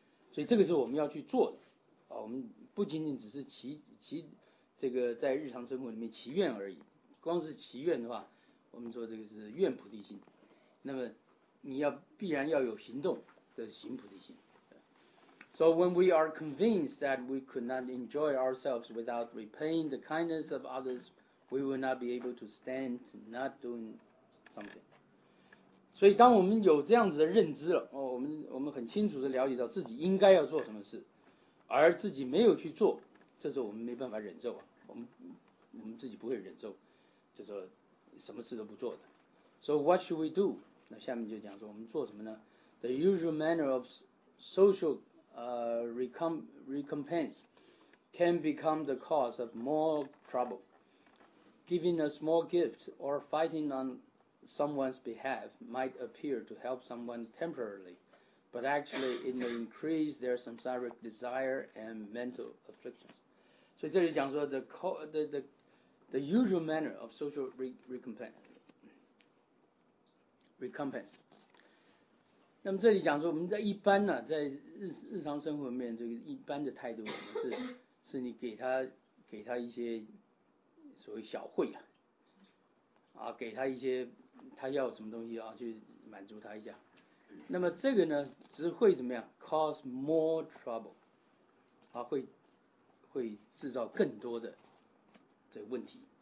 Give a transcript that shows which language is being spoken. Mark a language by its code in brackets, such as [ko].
[zh] 所以这个是我们要去做的啊，我们不仅仅只是祈这个在日常生活里面祈愿而已，光是祈愿的话，我们说这个是愿菩提心。那么你要必然要有行动的行菩提心。 [en] So when we are convinced that we could not enjoy ourselves without repaying the kindness of others, we will not be able to stand not doing something. [zh] 所以当我们有这样子的认知了，哦，我们很清楚地了解到自己应该要做什么事，而自己没有去做，这时候我们没办法忍受啊，我们自己不会忍受，就说什么事都不做的。 [en] So what should we do? [zh] 那下面就讲说我们做什么呢？ [en] The usual manner of social recompense can become the cause of more trouble. Giving a small gift or fighting on someone's behalf might appear to help someone temporarily, but actually it may increase their samsaric desire and mental afflictions. So here it says the usual manner of social recompense. [zh] 那么这里讲说我们在一般呢、啊、在日常生活里面这个一般的态度是你给他一些所谓小惠啊，啊给他一些他要什么东西啊去满足他一下，那么这个呢只会怎么样 [en] cause more trouble [zh] 啊会制造更多的这个问题。